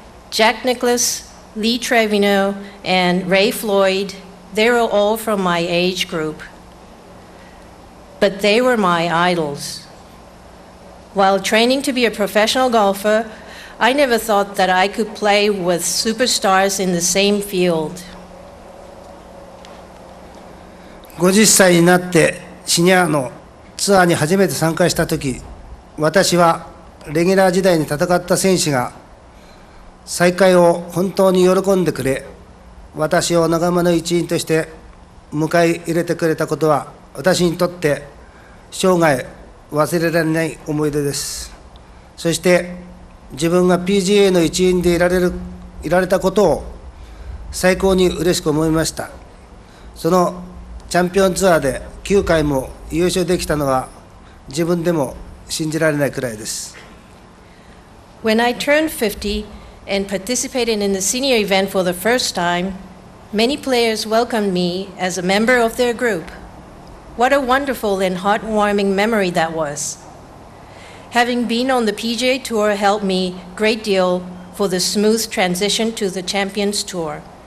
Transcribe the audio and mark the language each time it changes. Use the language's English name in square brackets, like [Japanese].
[English] Jack Nicklaus, Lee Trevino, and Ray Floyd, they were all from my age group. But they were my idols. While training to be a professional golfer, I never thought that I could play with superstars in the same field. [Japanese] 50 歳になってシニアのツアーに初めて参加したとき、私はレギュラー時代に戦った選手が再会を本当に喜んでくれ、私を仲間の一員として迎え入れてくれたことは私にとって生涯忘れられない思い出です。そして自分が PGA の一員でいられたことを最高に嬉しく思いました。そのチャンピオンツアーで9回も優勝できたのは自分でも信じられないくらいです。 [English] When I turned 50 and participated in the senior event for the first time, many players welcomed me as a member of their group. What a wonderful and heartwarming memory that was. Having been on the PGA Tour helped me a great deal for the smooth transition to the Champions Tour.